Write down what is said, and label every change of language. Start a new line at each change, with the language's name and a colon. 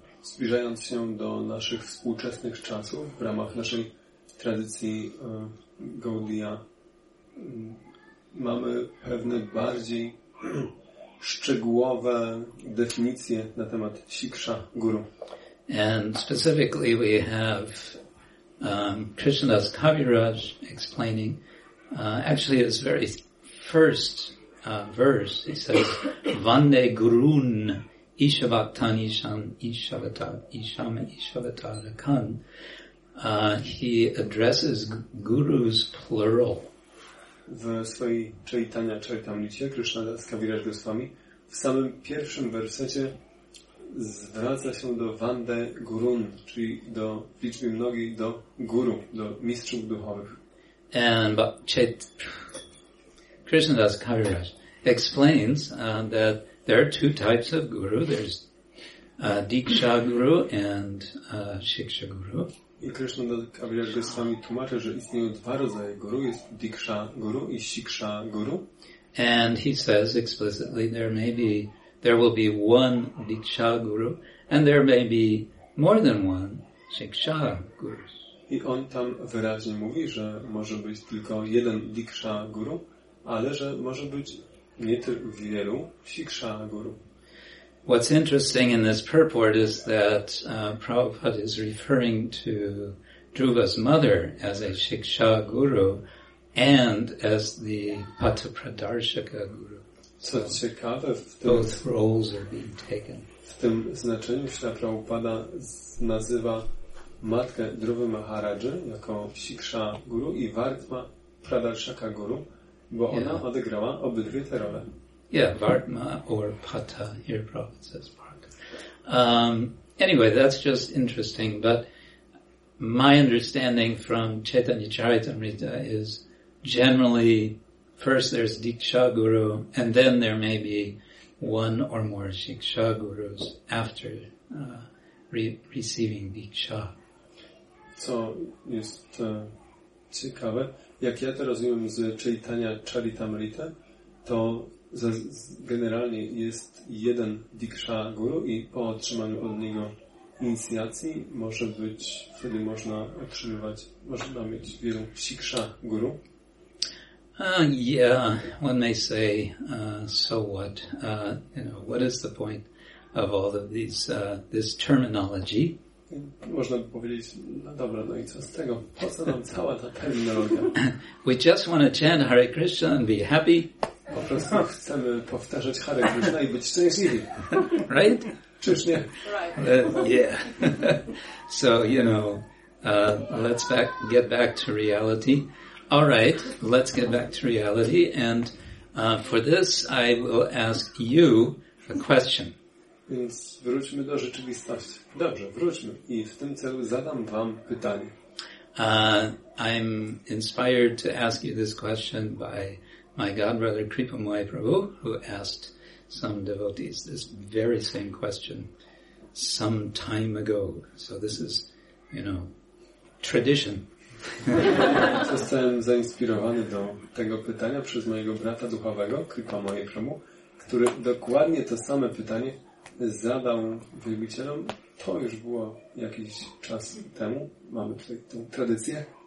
Polish: Zbliżając się do naszych współczesnych czasów, w ramach naszej tradycji Gaudiya, mamy pewne bardziej szczegółowe definicje na temat Shiksha Guru.
English: And specifically we have Krishnadas Kaviraj explaining, actually his very first verse, he says, Vande Gurun Ishavaktan Ishan Ishavatar Isham Ishavatar Khan. He addresses gurus plural.
Polish: W swojej Chaitanya Charitamrita Krishnadas Kaviraj Goswami w samym pierwszym wersecie zwraca się do Vande Gurun, czyli do liczby mnogiej, do guru, do mistrzów duchowych.
English: And Krishnadas Kaviraj explains that there are two types of guru. There's Diksha Guru and Shiksha Guru.
Polish: I Krishnadas Kaviraj Goswami tłumaczy, że istnieją dwa rodzaje guru. Jest Diksha Guru i Shiksha Guru.
English: And he says explicitly there will be one Diksha Guru and there may be more than one Shiksha Guru.
Polish: I on tam wyraźnie mówi, że może być tylko jeden Diksha Guru, ale że może być nie tylko wielu Shiksha Guru.
English: What's interesting in this purport is that Prabhupada is referring to Dhruva's mother as a Shiksha Guru and as the Patapradarshaka Guru.
Polish: So ciekawe,
English: both roles are being taken.
Polish: W tym znaczeniu Śla Prabhupada nazywa matkę Dhruvy Maharaja jako Shiksha Guru i Vartma Pradarshaka Guru, bo ona odegrała obydwie te role.
English: Yeah, Vartma or Pata, here Prabhupada says Vartma. Anyway, that's just interesting, but my understanding from Chaitanya Charitamrita is generally, first there's Diksha Guru, and then there may be one or more Shiksha Gurus after receiving Diksha.
Polish: Co jest ciekawe, jak ja to rozumiem z Chaitanya Charitamrita, to generalnie jest jeden Diksha Guru i po otrzymaniu od niego inicjacji może być, wtedy można otrzymywać, można mieć wielu Shiksha Guru.
English: Yeah, one may say, so what? You know, what is the point of all of these, this terminology?
Polish: Można by powiedzieć, no dobra, no i co z tego? Po co nam cała ta terminologia?
English: We just want to chant Hare Krishna and be happy.
Polish: Po prostu chcemy powtarzać Hare Krishna i być szczęśliwi.
English: Right?
Polish: Czyż nie?
English: Right. Yeah. So, you know, let's get back to reality. All right, let's get back to reality. And for this, I will ask you a question.
Polish: Więc wróćmy do rzeczywistości. Dobrze, wróćmy. I w tym celu zadam wam pytanie.
English: I'm inspired to ask you this question by my godbrother Kripa Moy Prabhu, who asked some devotees this very same question some time ago. So this is, you know, tradition.
Polish: Zostałem zainspirowany do tego pytania przez mojego brata duchowego, Kripa Moy Prabhu, który dokładnie to same pytanie zadał wielbicielom. To już było jakiś czas temu. Mamy tutaj tę tradycję.